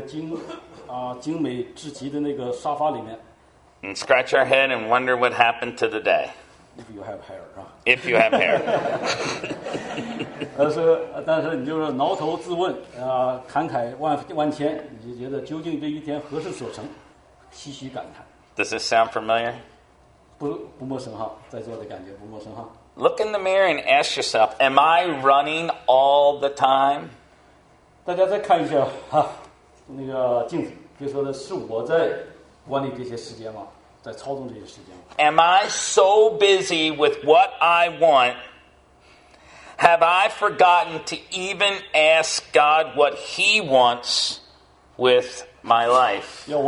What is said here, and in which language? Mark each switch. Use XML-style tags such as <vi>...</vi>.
<zh>然后你就回到你的明亮大宅里面，坐在你精心购买那个精美至极的那个沙发里面。</zh> <en>And scratch our head and wonder what happened to the day. If you have hair, huh? If you have hair.</en> <zh>但是你就是挠头自问，感慨万千，你就觉得究竟这一天何事所成？唏嘘感叹,</zh> <en>does this sound familiar?</en> <zh>不陌生哈, 在座的感觉不陌生哈。</zh> <en>Look in the mirror and ask yourself, am I running all the time?</en> <zh>大家再看一下那个镜子，就说的是我在管理这些时间吗？在操纵这些时间吗？</zh> <en>Am I so busy with what I want, have I forgotten to even ask God what He wants with my life?</en>